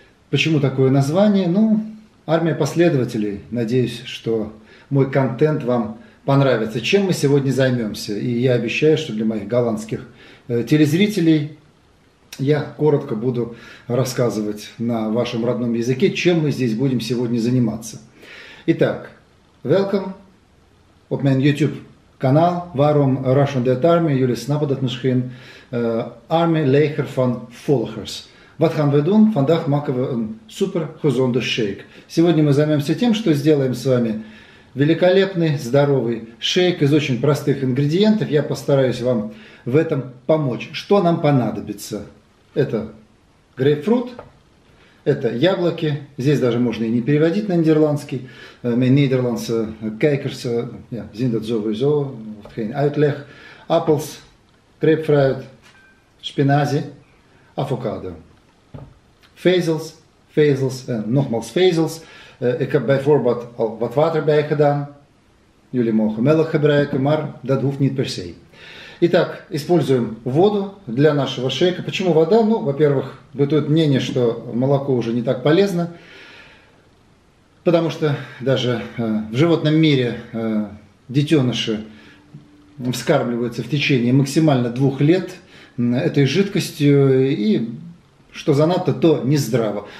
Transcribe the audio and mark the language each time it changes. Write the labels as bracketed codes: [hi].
[ru] Почему такое название? Ну, армия последователей. Надеюсь, что мой контент вам понравится. Чем мы сегодня займемся? И я обещаю, что для моих голландских телезрителей я коротко буду рассказывать на вашем родном языке, чем мы здесь будем сегодня заниматься. Итак, [nl] welcome op mijn YouTube-канал. Waarom Russian Dead Army? Jullie snappen dat misschien. Army Leger van Volgers. Wat gaan we doen? Vandaag maken we een super gezonde shake. [ru] Сегодня мы займемся тем, что сделаем с вами великолепный, здоровый шейк из очень простых ингредиентов. Я постараюсь вам в этом помочь. Что нам понадобится? Это грейпфрут. Это яблоки, здесь даже можно и не переводить на нидерландский. [nl] Mijn Nederlandse kijkers zien dat sowieso, geen uitleg. Appels, grapefruit, spinazie, avocado. Vezels, nogmaals vezels. Ik heb bijvoorbeeld al wat water bij gedaan. Jullie mogen melk gebruiken, maar dat hoeft niet per se. [ru] Итак, используем воду для нашего шейка. Почему вода? Ну, во-первых, бытует мнение, что молоко уже не так полезно, потому что даже в животном мире детеныши вскармливаются в течение максимально 2 лет этой жидкостью, и что [uk] занадто, то нездраво.